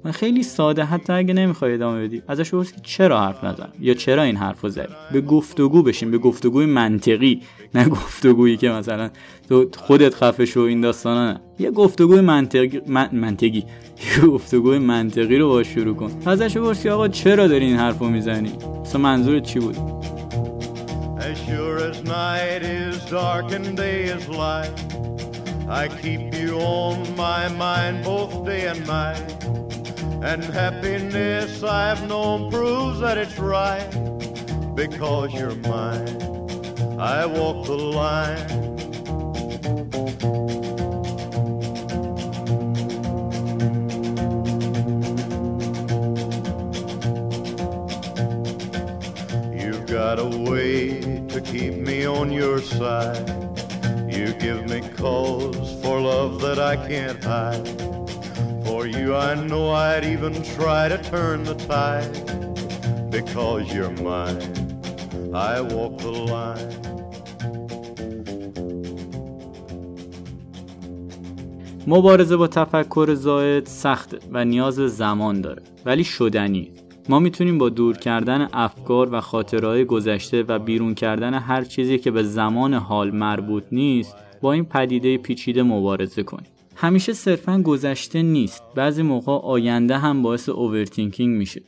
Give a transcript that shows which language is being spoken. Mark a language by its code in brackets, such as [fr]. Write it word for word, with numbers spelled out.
[fa] من خیلی ساده، حتی اگه نمیخوای ادامه بدی ازش بپرس که چرا حرف نزدم یا چرا این حرفو زدی. به گفتگو بشیم، به گفتگوی منطقی، نه گفتگویی که مثلا تو خودت خفه شو این داستانا. نه، یه گفتگوی منطقی من... منطقی یه گفتگوی منطقی رو باش شروع کن. [en] ازش بپرس که آقا چرا داری این حرفو میزنی، اصلا منظورت چی بود؟ As sure as night is dark and day is light, I keep you on my mind both day and night. And happiness I've known proves that it's right, because you're mine, I walk the line. Got a way to keep me on your side. You give me cause for love that I can't hide. For you I know I'd even try to turn the tide. Because you're mine, I walk the line. [fa] مبارزه با تفکر زائد سخته و نیاز زمان داره، ولی شدنی. ما میتونیم با دور کردن افکار و خاطرهای گذشته و بیرون کردن هر چیزی که به زمان حال مربوط نیست با این پدیده پیچیده مبارزه کنیم. همیشه صرفاً گذشته نیست، بعضی موقع آینده هم باعث اوورتینکینگ میشه.